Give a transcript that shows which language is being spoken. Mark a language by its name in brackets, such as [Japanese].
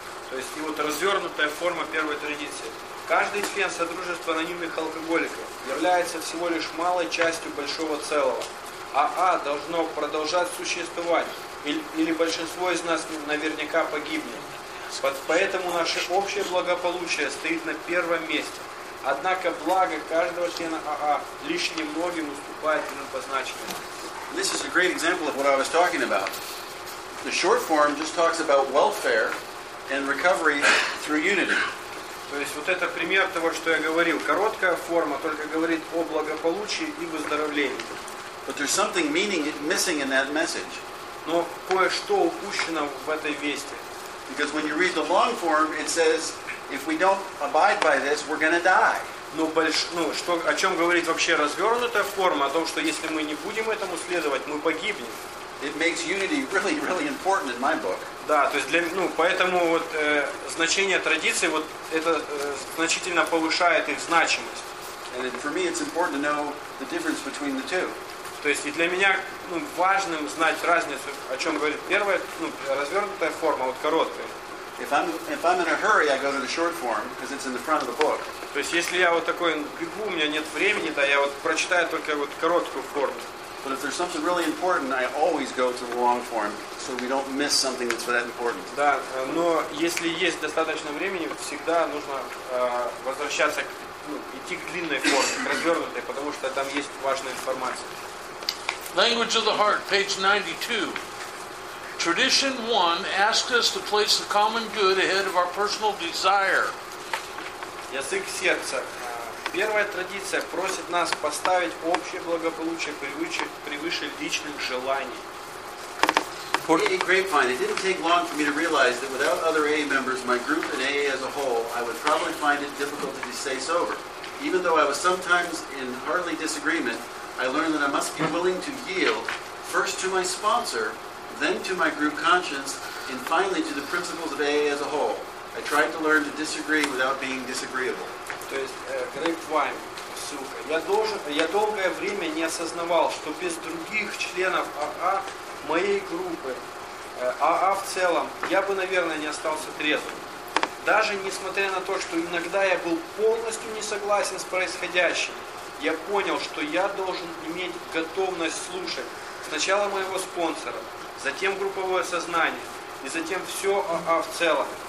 [Russian] То есть и вот развернутая форма первой традиции. Каждый член Содружества анонимных алкоголиков является всего лишь малой частью большого целого. АА должно продолжать существовать, или большинство из нас наверняка погибнет. Поэтому наше общее благополучие стоит на первом месте. Однако благо каждого члена АА лишь немногим уступает ему по значимости. [English] This is a great example of what I was talking about. The short form just talks about welfare and recovery through unity. [Russian] То есть вот это пример того, что я говорил. Короткая форма только говорит о благополучии и выздоровлении. [English] But there's something missing in that message. [Russian] Но кое-что упущено в этой вести. [English] Because when you read the long form, it says, if we don't abide by this, we're going to die. [Russian] О чем говорит вообще развернутая форма? О том, что если мы не будем этому следовать, мы погибнем. [English] It makes unity really, really important in my book. [Russian] Да, то есть для, ну, поэтому вот значение традиции вот это значительно повышает их значимость. [English] And for me, it's important to know the difference between the two. [Russian] То есть и для меня, ну, важным знать разницу, о чем говорит первая, ну, развернутая форма, вот короткая. [English] If I'm in a hurry, I go to the short form because it's in the front of the book. [Russian] То есть если я вот такой бегу, у меня нет времени, да, я вот прочитаю только вот короткую форму. [English] But if there's something really important, I always go to the long form, so we don't miss something that's that important. [Russian] Да, но если есть достаточно времени, всегда нужно возвращаться, ну, идти к длинной форме, к развернутой, потому что там есть важная информация. [English] Language of the Heart, page 92. Tradition 1 asks us to place the common good ahead of our personal desire. [Russian] Язык сердца. Первая традиция просит нас поставить общее благополучие превыше личных желаний. [English] Hey, Grapevine, it didn't take long for me to realize that without other AA members, my group and AA as a whole, I would probably find it difficult to stay sober. Even though I was sometimes in hardly disagreement, I learned that I must be willing to yield first to my sponsor, then to my group conscience, and finally to the principles of AA as a whole. I tried to learn to disagree without being disagreeable. [Russian] То есть, грейпвайн, ссылка. Я долгое время не осознавал, что без других членов АА моей группы, АА в целом, я бы, наверное, не остался трезвым. Даже несмотря на то, что иногда я был полностью не согласен с происходящим, я понял, что я должен иметь готовность слушать сначала моего спонсора, затем групповое сознание и затем все АА в целом.